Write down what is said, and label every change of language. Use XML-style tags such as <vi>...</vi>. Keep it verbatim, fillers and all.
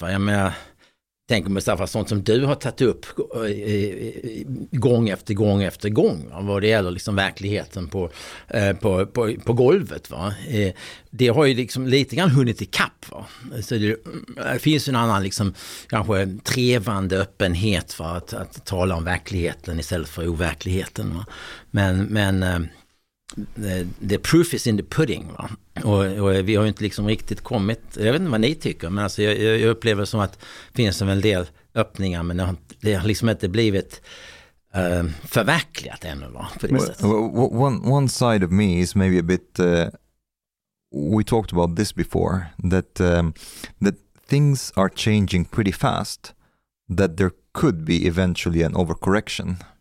<sv>Va? Jag menar, tänk om Mustafa, sånt som du har tagit upp eh, gång efter gång efter gång. Va? Vad det gäller liksom verkligheten på, eh, på, på, på golvet. Va? Eh, det har ju liksom lite grann hunnit ikapp. Va? Så det, det finns en annan liksom, kanske trevande öppenhet för att, att tala om verkligheten istället för overkligheten. Va? Men, men eh,</sv> <en>the, the proof is in the pudding.</en> <sv>Va? Och, och vi har ju inte liksom riktigt kommit, jag vet inte vad ni tycker, men alltså jag, jag upplever som att det finns en del öppningar, men det har, det har liksom inte blivit uh, förverkligat ännu. Va? På det sättet.</sv> <en>One, one side of me is maybe a bit uh, we talked about this before, that, um, that things are changing pretty fast, that there could be eventually an overcorrection.</en>